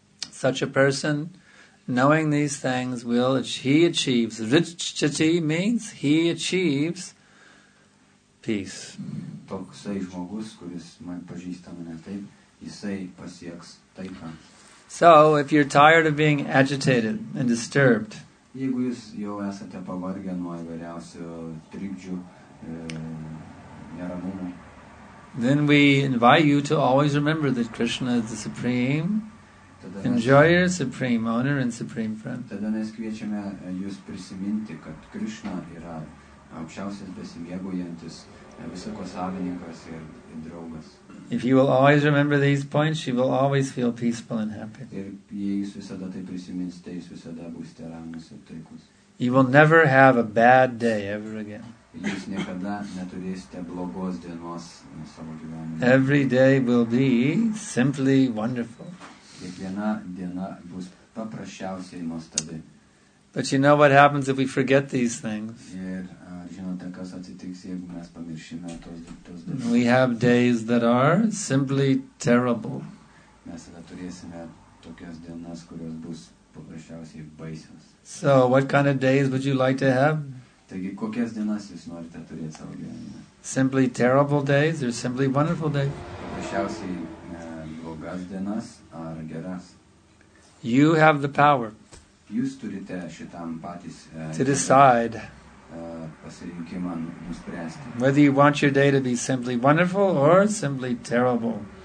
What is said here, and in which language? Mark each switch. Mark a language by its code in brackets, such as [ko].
[en] Such a person, knowing these things, will he achieves. Ritschati means he achieves peace. [lt] Toksai žmogus, kuris man pažįsta mane taip, jisai pasieks taiką. [en] So, if you're tired of being agitated and disturbed, [lt] jeigu jūs jau esate pavargę nuo įvairiausių trikdžių, neramumų, [en] then we invite you to always remember that Krishna is the supreme enjoyer, supreme owner and supreme friend. [lt] Tada mes kviečiame jūs prisiminti, kad Krishna yra aukščiausias besimėgaujantis visako savininkas ir draugas. [en] If you will always remember these points, you will always feel peaceful and happy. [lt] Ir jei jūs visada tai prisiminsite, jūs visada būsite ramus ir taikus. [en] You will never have a bad day ever again. [lt] Jūs niekada neturėsite blogos dienos savo gyvenime. [en] Every day will be simply wonderful. [lt] Kiekviena diena bus paprasčiausiai nuostabi. [en] But you know what happens if we forget these things. [lt] Ir žinote, kas atsitiks, jeigu mes pamiršime tos dalykus. [en] We have days that are simply terrible. [lt] Mes turėsime tokias dienas, kurios bus paprasčiausiai baisios. [en] So, what kind of days would you like to have? [lt] Taigi, kokias dienas jūs norite turėti savo gyvenime? [en] Simply terrible days or simply wonderful days? [lt] Paprasčiausiai blogas dienas ar geras? [en] You have the power. [lt] Jūs turite šitam patys [en] to decide [lt] pasirinkimą nuspręsti. [en] Whether you want your day to be simply wonderful or simply terrible.